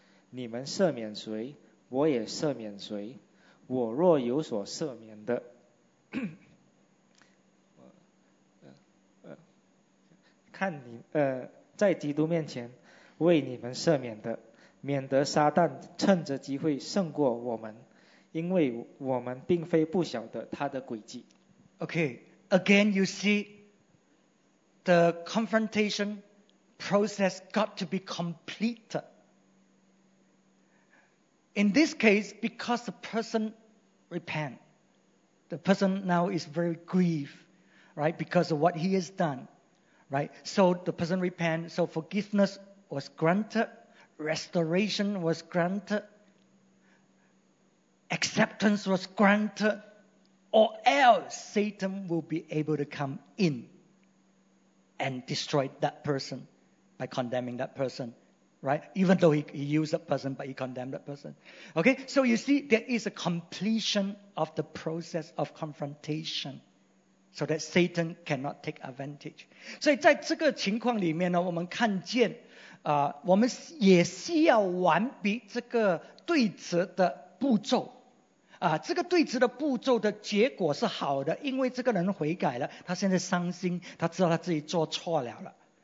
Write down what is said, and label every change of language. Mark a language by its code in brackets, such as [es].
[zh] 你们赦免谁，我也赦免谁。我若有所赦免的，看你在基督面前为你们赦免的，免得撒旦趁着机会胜过我们，因为我们并非不晓得他的诡计。 [en] Okay, again you see the confrontation process got to be completed. In this case, because the person repent, the person now is very grieved, right, because of what he has done, right? So the person repent, so forgiveness was granted, restoration was granted, acceptance was granted, or else Satan will be able to come in and destroy that person by condemning that person, right? Even though he used that person, but he condemned that person. Okay, so you see, there is a completion of the process of confrontation so that Satan cannot take advantage. [zh] 所以在这个情况里面呢，我们看见我们也需要完毕这个对质的步骤。这个对质的步骤的结果是好的，因为这个人悔改了，他现在伤心，他知道他自己做错了了。